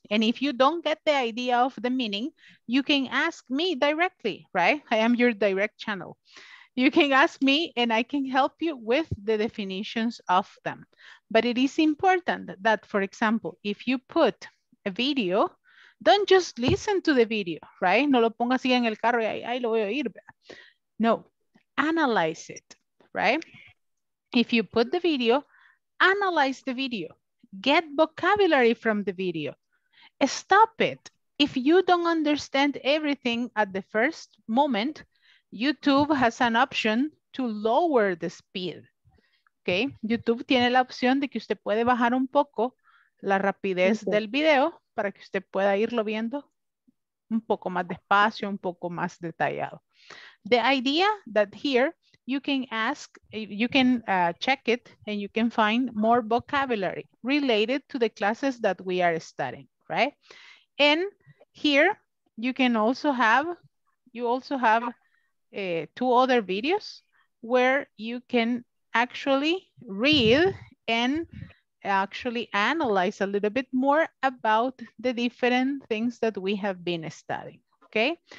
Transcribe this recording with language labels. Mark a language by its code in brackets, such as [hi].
[en] And if you don't get the idea of the meaning, you can ask me directly, right? I am your direct channel. You can ask me and I can help you with the definitions of them. But it is important that, for example, if you put a video, don't just listen to the video, right? [es] No lo ponga así en el carro y ahí lo voy a oír. [en] No, analyze it, right? If you put the video, analyze the video. Get vocabulary from the video. Stop it. If you don't understand everything at the first moment, YouTube has an option to lower the speed, okay? [es] YouTube tiene la opción de que usted puede bajar un poco la rapidez del video para que usted pueda irlo viendo un poco más despacio, un poco más detallado. [en] The idea that here you can ask, you can check it and you can find more vocabulary related to the classes that we are studying, right? And here you can also have, two other videos where you can actually read and actually analyze a little bit more about the different things that we have been studying, okay?